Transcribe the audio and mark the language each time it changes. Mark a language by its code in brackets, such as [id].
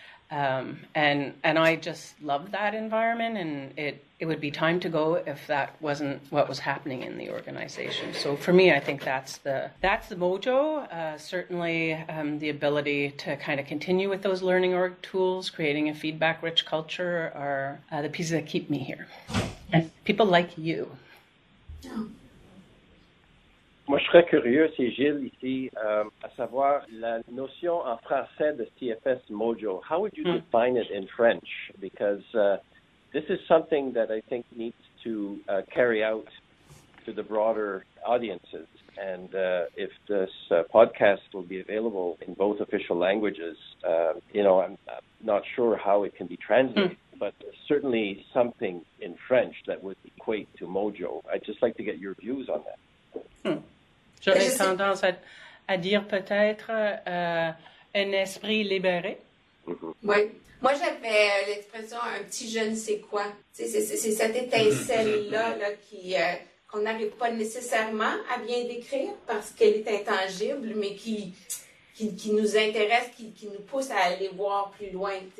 [en] And I just love that environment, and it would be time to go if that wasn't what was happening in the organization. So for me, I think that's the mojo, certainly the ability to kind of continue with those learning org tools, creating a feedback rich culture are the pieces that keep me here. And people like you. [fr] Moi, je serais curieux, c'est Gilles ici, à savoir la notion en français de CFS Mojo. [en] How would you define it in French? Because this is something that I think needs to carry out to the broader audiences. And if this podcast will be available in both official languages, I'm not sure how it can be translated. Mm. But certainly something in French that would equate to Mojo. I'd just like to get your views on that. Mm. [fr] J'aurais tendance à dire peut-être un esprit libéré. Oui. Moi, j'avais l'expression un petit jeune c'est quoi. C'est cette étincelle-là qu'on n'arrive pas nécessairement à bien décrire parce qu'elle est intangible, mais qui nous intéresse, qui nous pousse à aller voir plus loin.